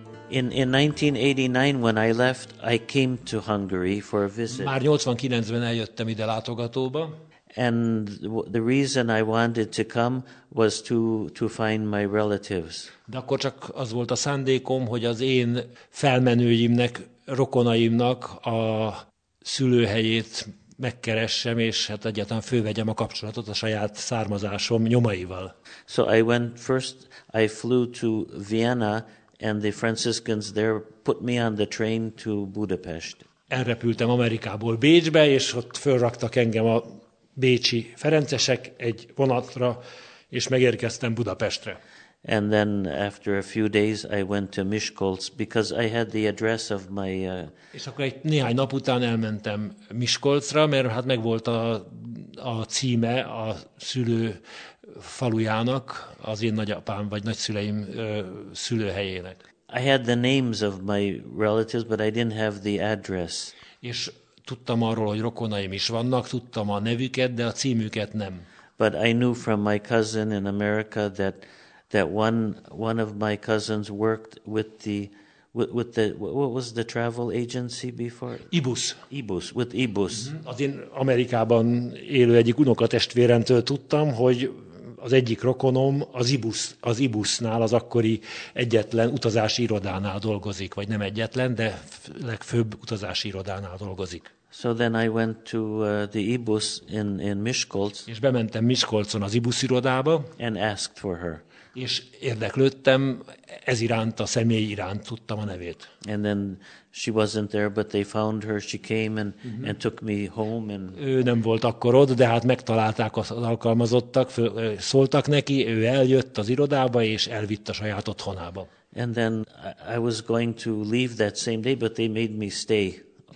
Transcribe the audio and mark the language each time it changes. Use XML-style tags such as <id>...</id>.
<en>In 1989, when I left, I came to Hungary for a visit.</en> <hu>Már 89-ben eljöttem ide látogatóba.</hu> <en>And the reason I wanted to come was to find my relatives.</en> <hu>De akkor csak az volt a szándékom, hogy az én felmenőimnek, rokonaimnak a szülőhelyét megkeressem, és hát egyáltalán fölvegyem a kapcsolatot a saját származásom nyomaival.</hu> <en>So I went first, I flew to Vienna, and the Franciscans there put me on the train to Budapest.</en> <hu>Elrepültem Amerikából Bécsbe, és ott fölraktak engem a bécsi ferencesek egy vonatra, és megérkeztem Budapestre.</hu> <en>And then after a few days I went to Miskolc because I had the address of my</en> <hu>És akkor egy néhány nap után elmentem Miskolcra, mert hát megvolt a címe a szülő falujának, az én nagyapám vagy nagyszüleim szülőhelyének.</hu> <en>I had the names of my relatives, but I didn't have the address.</en> <hu>És tudtam arról, hogy rokonaim is vannak, tudtam a nevüket, de a címüket nem.</hu> <en>But I knew from my cousin in America that one of my cousins worked with the what was the travel agency before? Ibus, with Ibus.</en> <hu>Az én Amerikában élő egyik unokatestvéremtől tudtam, hogy az egyik rokonom az Ibusnál, az akkori egyetlen utazási irodánál dolgozik, vagy nem egyetlen, de legfőbb utazási irodánál dolgozik.</hu> <en>So then I went to the Ibus in Miskolc.</en> <hu>És bementem Miskolcon az Ibus irodába.</hu> <en>And asked for her.</en> <hu>És érdeklődtem, ez iránt, a személy iránt tudtam a nevét.</hu> <en>And then she wasn't there, but they found her, she came and, uh-huh. and took me home. And...</en> <hu>Ő nem volt akkor ott, de hát megtalálták az alkalmazottak, szóltak neki, ő eljött az irodába, és elvitt a saját otthonába.</hu> <en>And then I was going to leave that same day, but they made me stay.</en>